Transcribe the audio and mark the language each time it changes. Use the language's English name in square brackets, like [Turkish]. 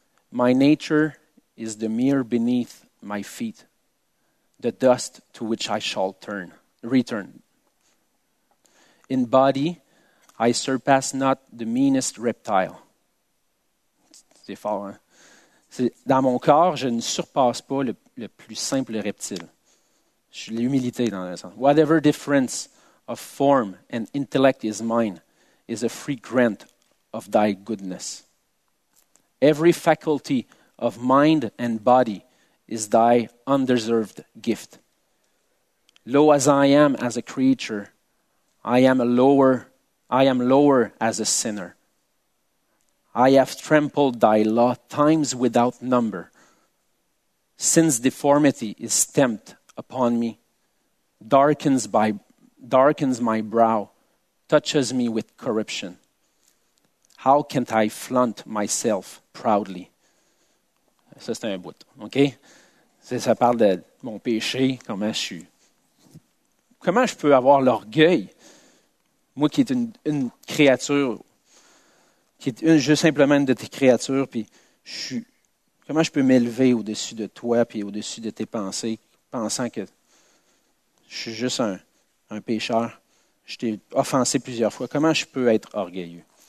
[English] My nature is the mere beneath my feet, the dust to which I shall return. » In body, I surpass not the meanest reptile. [French] C'est fort, hein? Dans mon corps, je ne surpasse pas le plus simple reptile. Je suis l'humilité dans le sens. [English] Whatever difference of form and intellect is mine is a free grant of thy goodness. Every faculty of mind and body is thy undeserved gift. Low as I am as a creature, I am lower as a sinner. I have trampled thy law times without number. Sin's deformity is stamped upon me, darkens my brow, touches me with corruption. How can I flaunt myself proudly? [French] Ça, c'est un bout, OK? Ça parle de mon péché, comment je peux avoir l'orgueil, moi qui est une créature, qui est juste simplement une de tes créatures, puis comment je peux m'élever au-dessus de toi, puis au-dessus de tes pensées, pensant que je suis juste un pécheur, je t'ai offensé plusieurs fois, comment je peux être orgueilleux?